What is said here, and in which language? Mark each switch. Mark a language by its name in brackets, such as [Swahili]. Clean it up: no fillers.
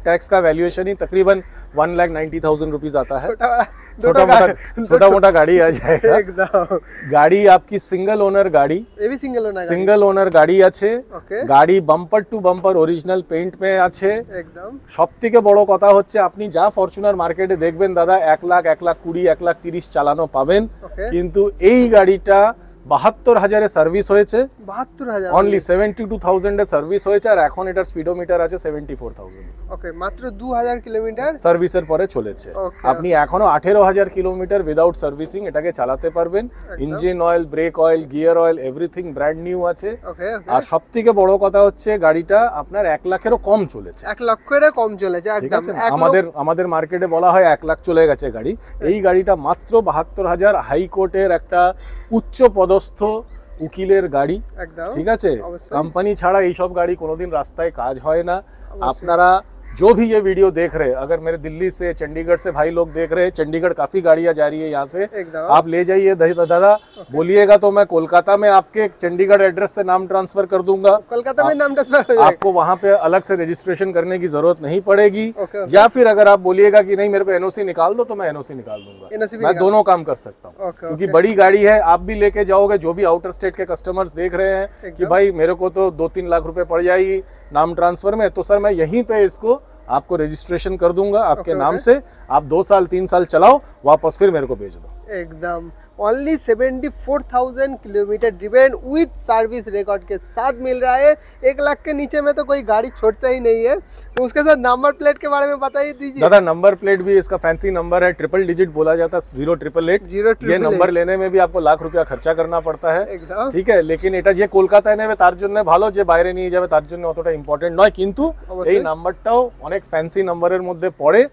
[Hindi] Tax का valuation ही तकरीबन 1,90,000 rupees आता है। छोटा मोटा गाड़ी आ जाएगा एकदम। गाड़ी आपकी सिंगल ओनर गाड़ी, ये भी सिंगल ओनर, सिंगल ओनर गाड़ी आछे। गाड़ी bumper to bumper original paint में आछे एकदम। [Bangla] সবথেকে বড় কথা হচ্ছে আপনি যা ফরচুনার মার্কেটে দেখবেন দাদা 1,00,000, 1,20,000, 1,30,000 চালানো পাবেন, কিন্তু এই গাড়িটা 72,000 এ সার্ভিস হয়েছে, 72,000 অনলি, 72,000 এ সার্ভিস হয়েছে, আর এখন এটার স্পিডোমিটার আছে 74,000। ওকে, মাত্র 2,000 কিলোমিটার সার্ভিসের পরে চলেছে। আপনি এখনো 18,000 কিলোমিটার উইদাউট সার্ভিসিং এটাকে চালাতে পারবেন। Engine oil, break oil, gear oil, everything brand new আছে। ওকে, আর সবথেকে বড় কথা হচ্ছে গাড়িটা আপনার 1,00,000 এরও কম চলেছে, 1,00,000 এর কম চলেছে একদম। আমাদের আমাদের মার্কেটে বলা হয় 1,00,000 চলে গেছে গাড়ি, এই গাড়িটা মাত্র 72,000। হাইকোর্টের একটা উচ্চ পদস্থ উকিলের গাড়ি একদম, ঠিক আছে। কোম্পানি ছাড়া এইসব গাড়ি কোনোদিন রাস্তায় কাজ হয় না। আপনারা [Hindi] जो भी ये वीडियो देख रहे, अगर मेरे दिल्ली से चंडीगढ़ से भाई लोग देख रहे, चंडीगढ़ काफी गाड़ियां जा रही है यहाँ से, आप ले जाइए दादा, बोलिएगा तो मैं कोलकाता में आपके चंडीगढ़ एड्रेस से नाम ट्रांसफर कर दूंगा, कोलकाता में नाम ट्रांसफर, आपको वहां पे अलग से रजिस्ट्रेशन करने की जरूरत नहीं पड़ेगी। okay. या फिर अगर आप बोलिएगा कि नहीं मेरे को एनओसी निकाल दो, तो मैं एनओसी निकाल दूंगा, मैं दोनों काम कर सकता हूँ, क्योंकि बड़ी गाड़ी है। आप भी लेके जाओगे, जो भी आउटर स्टेट के कस्टमर्स देख रहे हैं कि भाई मेरे को तो 2-3 लाख रुपए पड़ जाएगी नाम ट्रांसफर में, तो सर मैं यहीं पे इसको आपको रजिस्ट्रेशन कर दूंगा आपके नाम से, आप 2-3 साल चलाओ, वापस फिर मेरे को भेज दो एकदम। Only 74,000 kilometre driven with service record के साथ मिल रहा है। 1,00,000 के नीचे में तो कोई गाड़ी छोड़ता ही नहीं है, तो उसके साथ नंबर प्लेट के बारे में बता ही दीजिए दादा। नंबर प्लेट भी इसका फैंसी नंबर है, 888 बोला जाता है, 0888। ये नंबर लेने में भी आपको 1,00,000 रुपया खर्चा करना पड़ता है, ठीक है। लेकिन [Bangla] এটা যে কলকাতায় নেবে তার জন্য ভালো, যে বাইরে নিয়ে যাবে তার জন্য অতটা ইম্পর্টেন্ট নয়, কিন্তু এই নাম্বারটাও অনেক ফ্যান্সি নম্বরের মধ্যে পড়ে